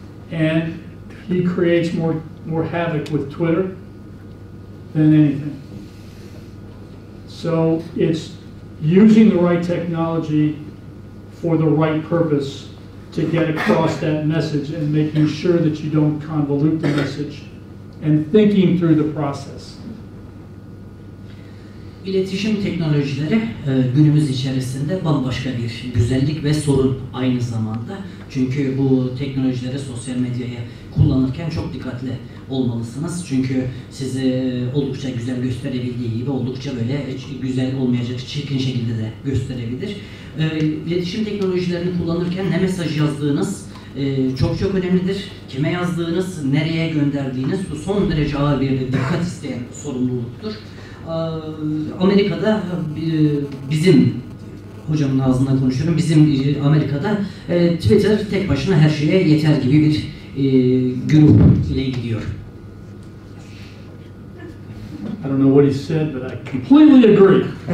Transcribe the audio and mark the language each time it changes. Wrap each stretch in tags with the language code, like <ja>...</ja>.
<en>And he creates more havoc with Twitter than anything. So it's using the right technology for the right purpose to get across that message and making sure that you don't convolute the message and thinking through the process.</en> <tr>İletişim teknolojileri günümüz içerisinde bambaşka bir güzellik ve sorun aynı zamanda. Çünkü bu teknolojileri sosyal medyaya kullanırken çok dikkatli olmalısınız. Çünkü sizi oldukça güzel gösterebildiği gibi oldukça böyle güzel olmayacak, çirkin şekilde de gösterebilir. İletişim teknolojilerini kullanırken ne mesaj yazdığınız çok çok önemlidir. Kime yazdığınız, nereye gönderdiğiniz bu son derece ağır bir dikkat isteyen sorumluluktur. Amerika'da bizim hocamın ağzından konuşuyorum. Bizim Amerika'da Twitter tek başına her şeye yeter gibi bir grup ile gidiyor.</tr> <en>I don't know what he said, but I completely agree.</en>